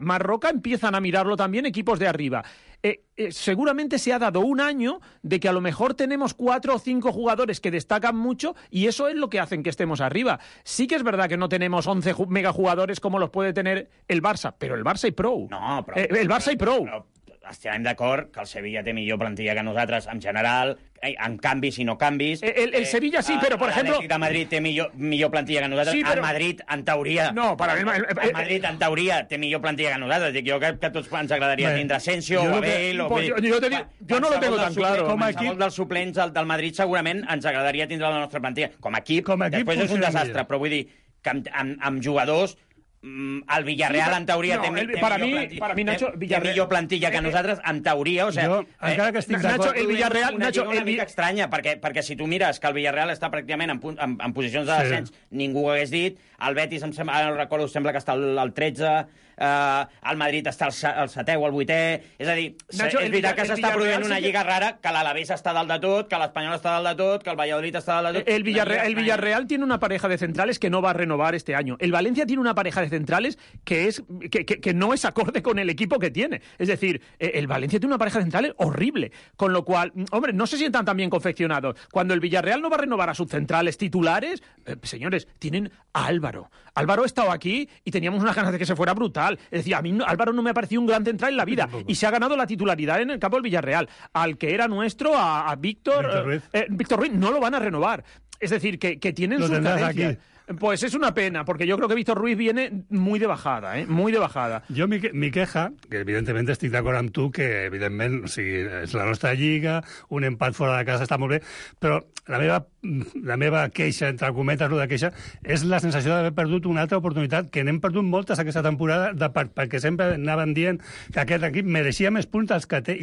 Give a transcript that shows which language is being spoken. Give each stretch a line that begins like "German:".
Spanish: Marroca empiezan a mirarlo también equipos de arriba. Seguramente se ha dado un año de que a lo mejor tenemos 4 o 5 jugadores que destacan mucho, y eso es lo que hacen que estemos arriba. Sí que es verdad que no tenemos 11 megajugadores como los puede tener el Barça, pero el Barça y prou. No, pero... El Barça y prou.
Catalan: Estem d'acord que el Sevilla té millor plantilla que nosaltres, en general, en canvis i no canvis. El Sevilla sí, però, per exemple... L'Atlètic de Madrid té millor plantilla que nosaltres. Sí, però... A Madrid, en teoria... No, però... A Madrid, en teoria, té millor plantilla que nosaltres. Dic, jo crec que a tots ens agradaria tindre Asensio, o Abel...
Spanish: Jo no lo tengo tan claro.
Catalan: Com a equip... Qualsevol dels suplents del Madrid segurament ens agradaria tindre la nostra plantilla. Com a equip... Com a equip... Després és un desastre, però vull dir que amb jugadors... El Villarreal, en teoria, té millor plantilla que nosaltres, en teoria. O sigui, jo, encara que estic d'acord... El Villarreal... Una mica estranya, perquè si tu mires que el Villarreal està pràcticament en posicions de descens, sí, ningú ho hagués dit. El Betis, sembla que està al 13... El Madrid està al 7è o al 8è... És a dir, Nacho, és veritat que s'està produint una lliga rara, que l'Alavés està dalt de tot, que l'Espanyol està dalt de tot, que el Valladolid està dalt de tot...
Spanish: El Villarreal tiene una pareja de centrales que no va a renovar este año. El Valencia tiene una pareja de centrales que no es acorde con el equipo que tiene. Es decir, el Valencia tiene una pareja de centrales horrible. Con lo cual, hombre, no se sientan tan bien confeccionados. Cuando el Villarreal no va a renovar a sus centrales titulares, señores, tienen a Álvaro. Álvaro ha estado aquí y teníamos unas ganas de que se fuera brutal. Es decir, a mí Álvaro no me ha parecido un gran central en la vida. Y se ha ganado la titularidad en el campo del Villarreal. Al que era nuestro, a Víctor Ruiz, no lo van a renovar. Es decir, que tienen sus carencias. Pues es una pena, porque yo creo que Víctor Ruiz viene muy de bajada, ¿eh? Muy de bajada. Yo mi queja, que evidentemente estoy de acuerdo con tú, que evidentemente si es la nuestra lliga, un empat fuera de casa está muy bien,
Catalan: però la meva queixa, entre argumentes, de queixa, és la sensació d'haver perdut una altra oportunitat, que n'hem perdut moltes aquesta temporada, perquè sempre anaven dient que aquest equip mereixia més punts dels que té.